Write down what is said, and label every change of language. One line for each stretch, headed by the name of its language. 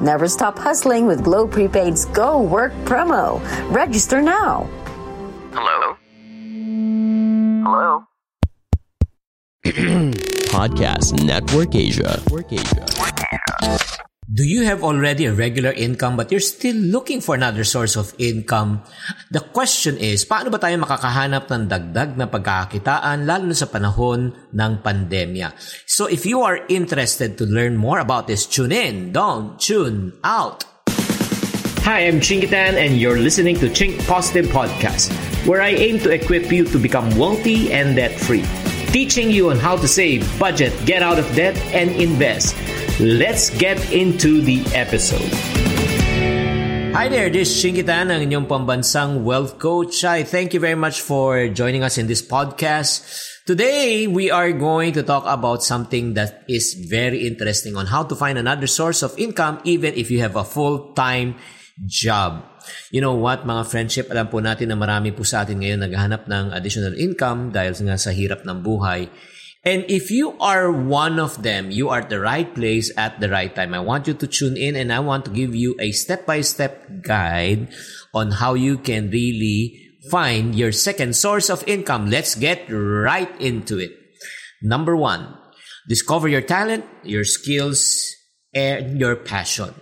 English: Never stop hustling with Globe Prepaid's Go Work promo. Register now. Hello? Hello? Podcast Network Asia. Do you have already a regular income but you're still looking for another source of income? The question is,
Filipino: paano ba tayo makakahanap ng dagdag na pagkakitaan lalo na sa panahon ng pandemya?
English: So if you are interested to learn more about this, tune in. Don't tune out. Hi, I'm Chinky Tan and you're listening to Chink Positive Podcast, where I aim to equip you to become wealthy and debt-free. Teaching you on how to save, budget, get out of debt, and invest. Let's get into the episode. Hi there, this is Chinky Tan,
Filipino: ang inyong pambansang
English: wealth coach. I thank you very much for joining us in this podcast. Today, we are going to talk about something that is very interesting on how to find another source of income even if you have a full-time job. You know what,
Filipino: mga friendship, alam po natin na marami po sa atin ngayon naghahanap ng additional income dahil nga sa hirap ng buhay.
English: And if you are one of them, you are at the right place at the right time. I want you to tune in and I want to give you a step-by-step guide on how you can really find your second source of income. Let's get right into it. Number one, discover your talent, your skills, and your passion.